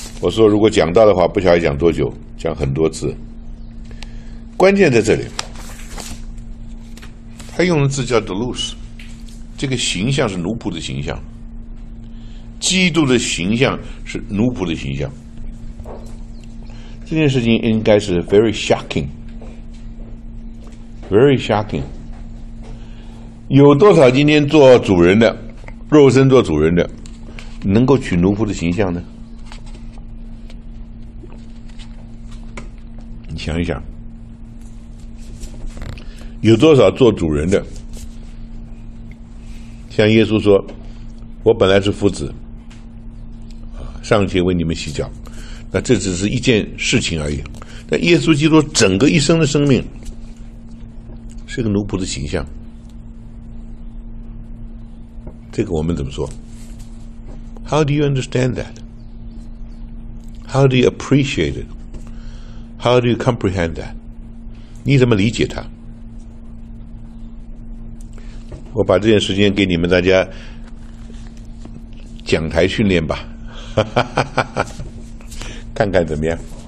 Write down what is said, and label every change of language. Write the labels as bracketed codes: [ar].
[zh] 我说如果讲到的话，不晓得讲多久，讲很多次。关键在这里，他用的字叫 Delus， 这个形象是奴仆的形象，基督的形象是奴仆的形象。这件事情应该是 [en] very shocking， very shocking。 [zh] 有多少今天做主人的，肉身做主人的，能够取奴仆的形象呢？你想一想，有多少做主人的，像耶稣说，我本来是夫子，尚且为你们洗脚，那这只是一件事情而已。但耶稣基督整个一生的生命是个奴仆的形象，这个我们怎么说？ [en] How do you understand that? How do you appreciate it? How do you comprehend that? [zh] 你怎么理解它？我把这件事情给你们大家讲台训练吧，看看怎么样。